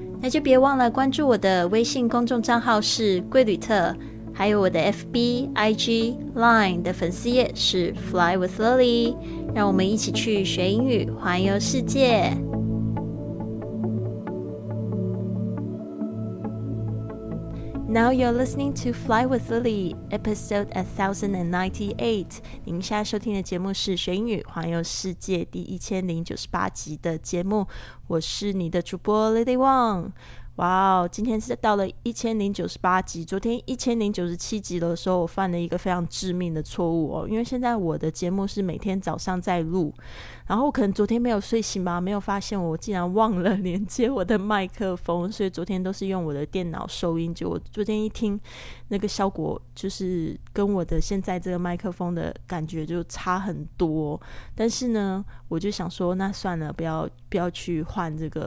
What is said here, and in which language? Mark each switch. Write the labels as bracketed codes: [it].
[zh] 那就别忘了关注我的微信公众账号是贵旅特，还有我的 FB、IG、Line 的粉丝页是 Fly with Lily， 让我们一起去学英语、环游世界。 [en] Now you're listening to Fly with Lily, episode 1098. [zh] 您现在收听的节目是学英语环游世界第1098集的节目。我是你的主播 Lily Wang。哇哦，今天是到了1098集，昨天1097集的时候我犯了一个非常致命的错误哦，因为现在我的节目是每天早上在录，然后我可能昨天没有睡醒吧，没有发现我竟然忘了连接我的麦克风，所以昨天都是用我的电脑收音，就我昨天一听那个效果就是跟我的现在这个麦克风的感觉就差很多，但是呢我就想说那算了，不要去换